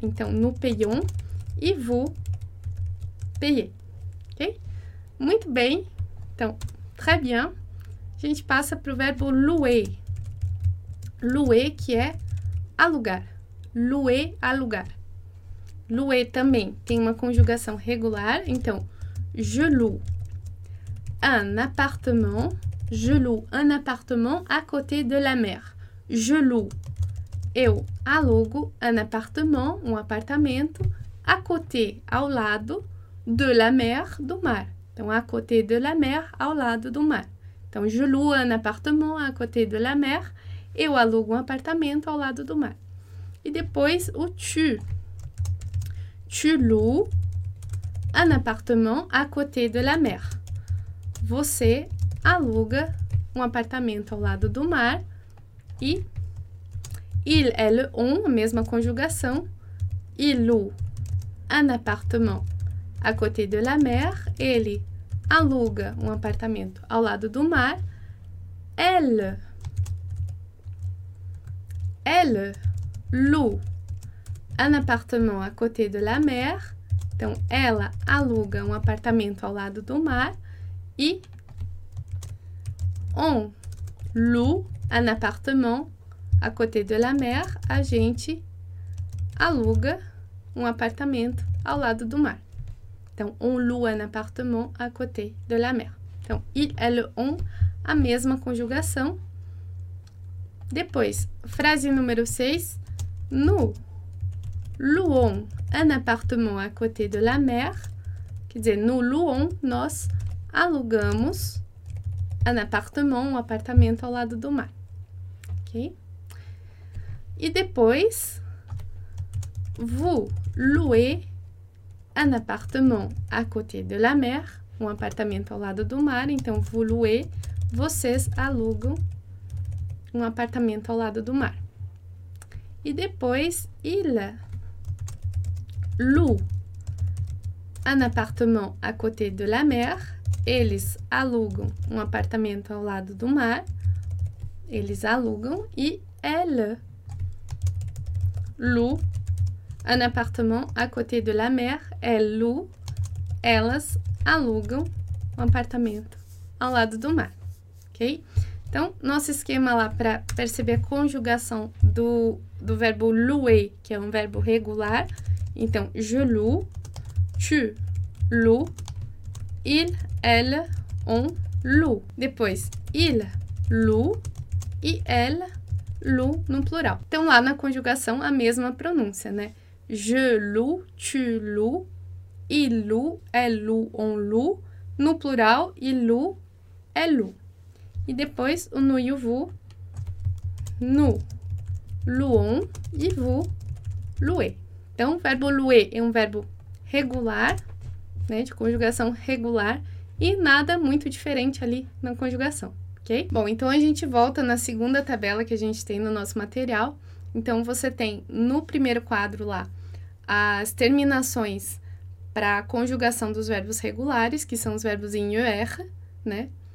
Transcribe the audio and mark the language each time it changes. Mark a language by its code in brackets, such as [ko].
[pt] Então, no payon e [fr] vous payez. [pt] Ok? Muito bem. Então, [fr] très bien. [pt] A gente passa para o verbo louer. Louer, que é alugar. Louer, alugar. Louer também tem uma conjugação regular. [fr] Então, je loue un appartement. Je loue un appartement à côté de la mer. Je loue. [pt] Eu alugo [fr] un appartement, [pt] um apartamento, [fr] à côté, [pt] ao lado, [fr] de la mer, [pt] do mar. Então, à côté de la mer, ao lado do mar. [fr] Então, je loue un appartement à côté de la mer. [pt] Eu alugo um apartamento ao lado do mar. E depois, o tu. [fr] Tu loues un appartement à côté de la mer. [pt] Você aluga um apartamento ao lado do mar e... Il, elle, on, a mesma conjugação. [fr] Il loue un appartement à côté de la mer. [pt] Ele aluga um apartamento ao lado do mar. [fr] Elle loue un appartement à côté de la mer. [pt] Então, ela aluga um apartamento ao lado do mar. E [fr] on loue un appartement à côté de la mer, [pt] a gente aluga um apartamento ao lado do mar. [fr] Então, on loue un appartement à côté de la mer. [pt] Então, il, elle, on, a mesma conjugação. Depois, frase número 6. [fr] Nous louons un appartement à côté de la mer. [pt] Quer dizer, [fr] nous louons, [pt] nós alugamos [fr] un appartement, [pt] um apartamento ao lado do mar. Ok? E depois, [fr] vous louez un appartement à côté de la mer, [pt] um apartamento ao lado do mar. Então, [fr] vous louez, [pt] vocês alugam um apartamento ao lado do mar. [fr] E depois, il loue un appartement à côté de la mer. [pt] Eles alugam um apartamento ao lado do mar. Eles alugam e [fr] elle loue un appartement à côté de la mer. Elle loue, [pt] elas alugam um apartamento ao lado do mar. Ok? Então, nosso esquema lá para perceber a conjugação do verbo louer, que é um verbo regular. Então, [fr] je loue, tu loues, il, elle, on loue. [pt] Depois, [fr] il loue e elle loue [pt] no plural. Então, lá na conjugação, a mesma pronúncia, né? [fr] Je loue, tu loues, il loue, elle loue, on loue. [pt] No plural, [fr] il loue, elle loue. [pt] E depois, o nous e o vous. [fr] Nous louons e vous louez. [pt] Então, o verbo louer é um verbo regular, né? De conjugação regular. e nada muito diferente ali na conjugação, ok? Bom, então a gente volta na segunda tabela que a gente tem no nosso material. Então você tem no primeiro quadro lá as terminações para a conjugação dos verbos regulares, que são os verbos em -er, né?